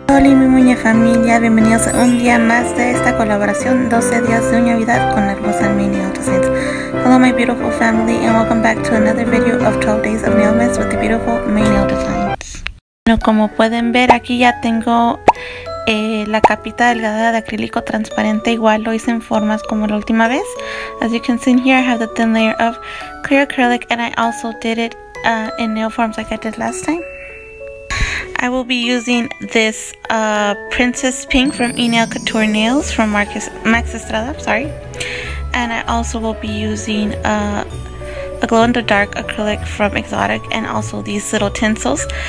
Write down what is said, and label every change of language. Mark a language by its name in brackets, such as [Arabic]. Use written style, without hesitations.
[Spanish] Uña Familia, bienvenidos a un día más de esta colaboración 12 días de Uña Vida con la hermosa Mini Ultra Saints. [English] Hello my beautiful family and welcome back to another video of 12 days of nail mess with the beautiful Mini Ultra Saints. [Spanish] Bueno, como pueden ver aquí ya tengo la capita delgada de acrílico transparente, igual lo hice en formas como la última vez. [English] As you can see here I have the thin layer of clear acrylic and I also did it in nail forms like I did last time. I will be using this Princess Pink from Enail Couture Nails from Max Estrada, sorry. And I also will be using a glow-in-the-dark acrylic from Exotic and also these little tinsels.